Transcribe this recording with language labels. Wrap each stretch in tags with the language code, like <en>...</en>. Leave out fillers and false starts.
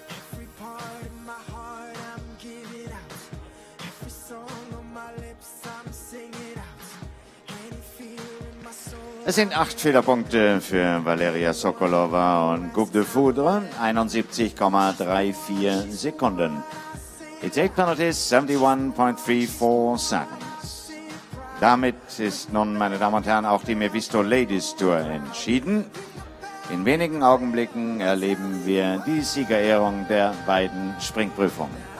<en>Every part of my heart I'm giving out, every song on my lips I'm singing out.</en> <de>Es sind 8 Fehlerpunkte für Valeria Sokolova und Coupe de Foudre. 71,34 Sekunden.</de> <en>The take penalty is 71.34 seconds.</en> <de>Damit ist nun, meine Damen und Herren, auch die Mephisto Ladies Tour entschieden. In wenigen Augenblicken erleben wir die Siegerehrung der beiden Springprüfungen.</de>